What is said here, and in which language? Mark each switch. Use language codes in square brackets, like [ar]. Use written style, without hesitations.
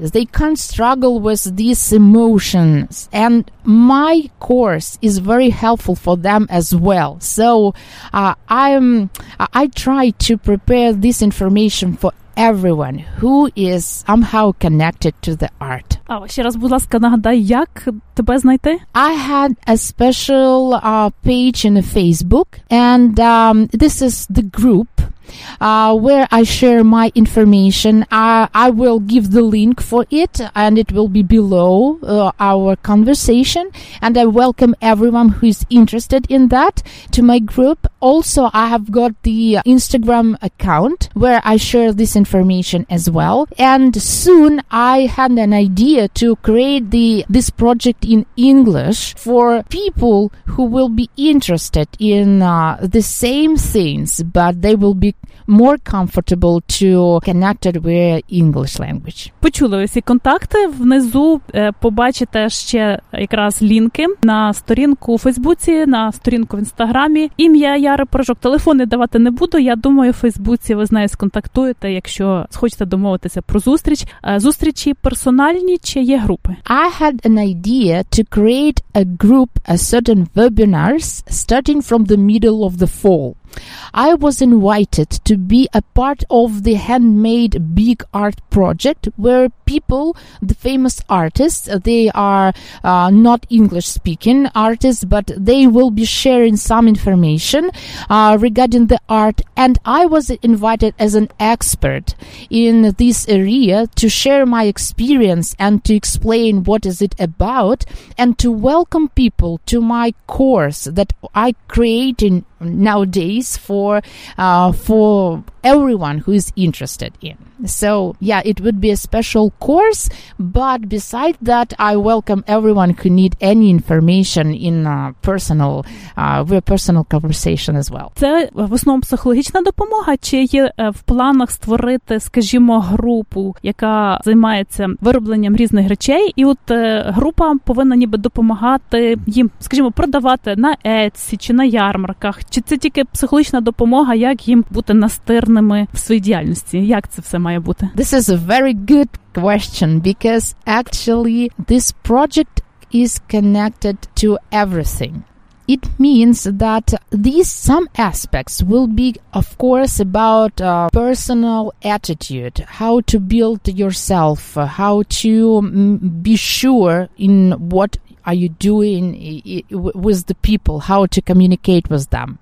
[en] They can't struggle with these emotions. And my course is very helpful for them as well. So I try to prepare this information for everyone who is somehow connected to the art. [uk] А ще раз, будь ласка, нагадай, як тебе знайти? [en] I had a special page in Facebook, and this is the group where I share my information. I will give the link for it, and it will be below our conversation. And I welcome everyone who is interested in that to my group. Also, I have got the Instagram account where I share this information as well. And soon I had an idea idea to create this project in English for people who will be interested in the same things, but they will be more comfortable to connect it with English language. [uk] Почули ви всі контакти. Внизу побачите ще якраз лінки на сторінку у Фейсбуці, на сторінку в Інстаграмі. Ім'я Яра Прожок. Телефони давати не буду. Я думаю, в Фейсбуці ви з нею сконтактуєте, якщо схочете домовитися про зустріч. Зустрічі персональні чи є групи? [en] I had an idea to create a group, a certain webinars, starting from the middle of the fall. I was invited to be a part of the handmade big art project where people, the famous artists, they are not English speaking artists, but they will be sharing some information regarding the art. And I was invited as an expert in this area to share my experience and to explain what is it about and to welcome people to my course that I create in nowadays for everyone who is interested in. So, yeah, it would be a special course, but besides that, I welcome everyone who need any information in personal personal conversation as well. [uk] Це в основному психологічна допомога, чи є в планах створити, скажімо, групу, яка займається виробленням різних речей, і от група повинна ніби допомагати їм, скажімо, продавати на Etsy чи на ярмарках, чи це тільки психологічна допомога, як їм бути настирними в своїй діяльності? Як це все має бути? [en] This is a very good question, because actually this project is connected to everything. It means that these some aspects will be, of course, about personal attitude, how to build yourself, how to be sure in what are you doing with the people, how to communicate with them.